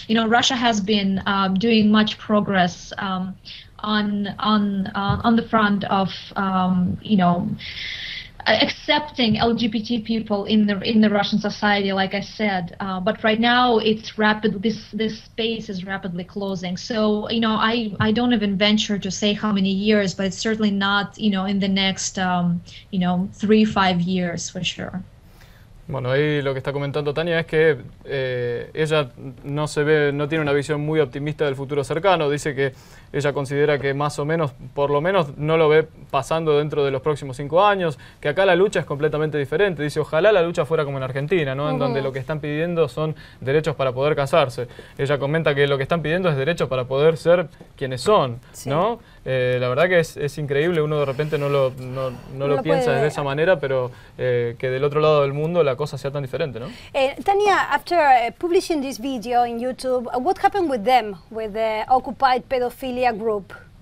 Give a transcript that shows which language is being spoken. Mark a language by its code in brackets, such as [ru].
[en] You know, Russia has been doing much progress on the front of you know, accepting LGBT people in the Russian society, like I said, but right now it's rapid, this space is rapidly closing. So, you know, I don't even venture to say how many years, but it's certainly not, you know, in the next you know, 3-5 years for sure. [es] Bueno, ahí lo que está comentando Tania es que ella no se ve, no tiene una visión muy optimista del futuro cercano. Dice que ella considera que más o menos, por lo menos, no lo ve pasando dentro de los próximos 5 años, que acá la lucha es completamente diferente. Dice, ojalá la lucha fuera como en Argentina, ¿no? Uh-huh. En donde lo que están pidiendo son derechos para poder casarse. Ella comenta que lo que están pidiendo es derechos para poder ser quienes son, sí. ¿No? La verdad que es increíble, uno de repente no lo piensa de esa manera, pero que del otro lado del mundo la cosa sea tan diferente, ¿no? [en] Tania, after publishing this video in YouTube, what happened with them, with the occupied pedophilia group?